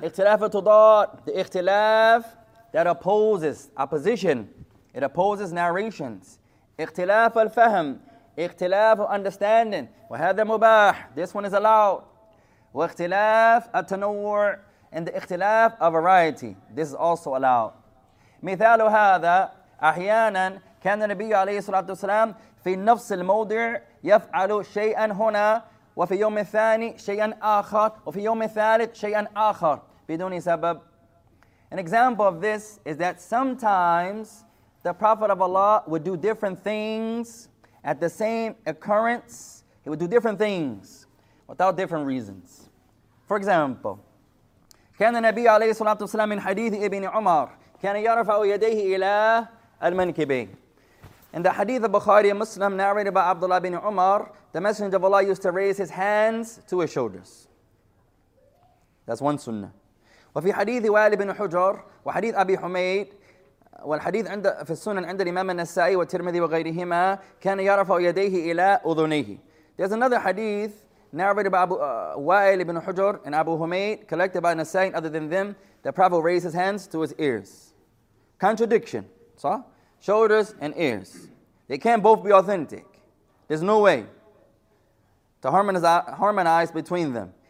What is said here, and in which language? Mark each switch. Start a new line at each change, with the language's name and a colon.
English: Ikhtilaf al-tudar. The ikhtilaf that opposes opposition. It opposes narrations. Ikhtilaf al-fahm.
Arabic: اختلاف
English: understanding.
Arabic: وهذا مباح.
English: This one is allowed.
Arabic: واختلاف التنوع.
English: And the
Arabic: اختلاف
English: of variety. This is also allowed.
Arabic: مثال هذا أحيانا كان النبي عليه الصلاة والسلام في نفس الموضع يفعل شيئا هنا وفي يوم الثاني شيئا آخر وفي يوم الثالث شيئا آخر بدون سبب.
English: An example of this is that sometimes the Prophet of Allah would do different things at the same occurrence. He would do different things without different reasons. For example,
Arabic: كان النبي عليه الصلاة والسلام من حديث ابن عمر كان يرفع يديه إلى المنكبين.
English: In the hadith of Bukhari, a Muslim narrated by Abdullah ibn Umar, the Messenger of Allah used to raise his hands to his shoulders. That's one sunnah.
Arabic: وفي حديث وائل بن حجر وحديث أبي حميد والحديث عند في السنن عند الإمام النسائي والترمذي وغيرهما كان يرفع يديه إلى أذنيه.
English: There's another hadith narrated by Abu Wa'il ibn Hujr and Abu Humayd, collected by Nasa'i other than them, the Prophet raised his hands to his ears. Contradiction. So, shoulders and ears. They can't both be authentic. There's no way to harmonize between them.